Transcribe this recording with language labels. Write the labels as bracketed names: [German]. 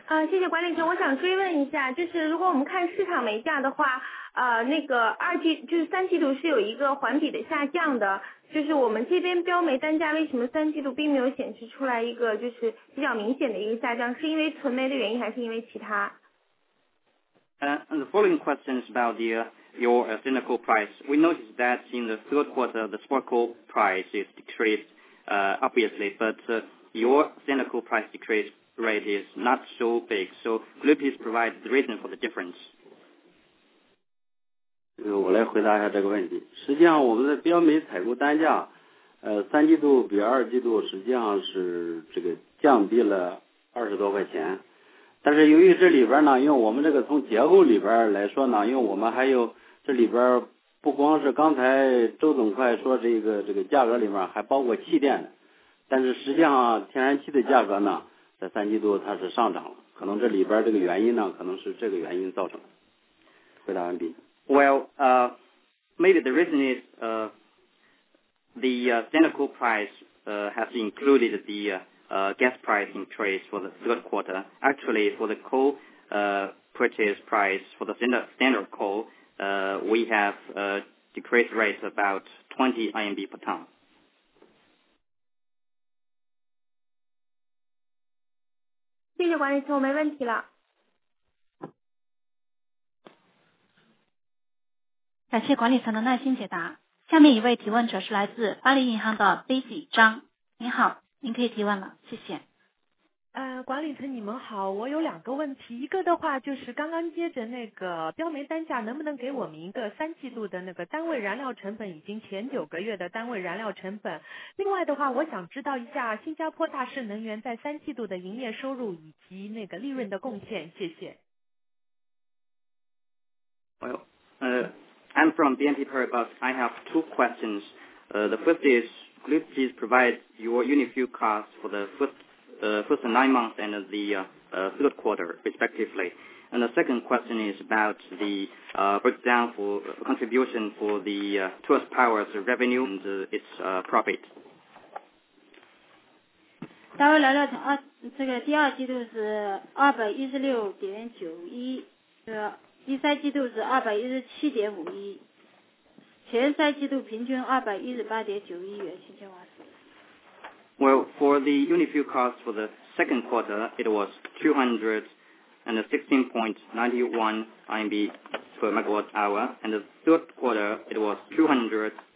[Chinese] 谢谢管理层。我想追问一下，就是如果我们看市场煤价的话，那个三季度是有一个环比的下降的，就是我们这边标煤单价为什么三季度并没有显示出来一个就是比较明显的一个下降，是因为存煤的原因还是因为其他？ [English] The following question is about your standard coal price. We noticed that in the third quarter the spot coal price is decreased, obviously, but your standard coal price decreased. Rate is not so big, so could you please provide the reason for the difference? [Chinese] 我来回答一下这个问题。实际上，我们的标煤采购单价，三季度比二季度实际上是这个降低了20多块钱，但是由于这里边呢，因为我们这个从结构里边来说呢，因为我们还有这里边不光是刚才周总快说这个价格里面还包括气电的，但是实际上天然气的价格呢，在三季度它是上涨了，可能这里边这个原因呢，可能是这个原因造成的。回答完毕。 [English] Well, maybe the reason is the standard coal price has included the gas price increase for the third quarter. Actually, for the coal purchase price for the standard coal, we have a decrease rate about 20 RMB per ton. [Chinese] 谢谢管理层，我没问题了。感谢管理层的耐心解答。下面一位提问者是来自巴黎银行的 Daisy 张，您好，您可以提问了，谢谢。管理层你们好，我有两个问题，一个的话就是刚刚接着那个标煤单价，能不能给我们一个三季度的那个单位燃料成本以及前九个月的单位燃料成本？另外的话，我想知道一下新加坡大势能源在三季度的营业收入以及那个利润的贡献，谢谢。 [English] I'm from BNP Paribas. I have two questions. The first is, could you please provide your unit fuel cost for the first 9 months and the third quarter, respectively? And the second question is about the breakdown for contribution for the Tourist Power's revenue and its profit. [Chinese] 单位燃料成本，第二季度是216.91，第三季度是217.51。前三季度平均218.91元新千瓦时。 [English] Well, for the unit fuel cost for the second quarter, it was 216.91 RMB per megawatt hour, and the third quarter it was 217.51.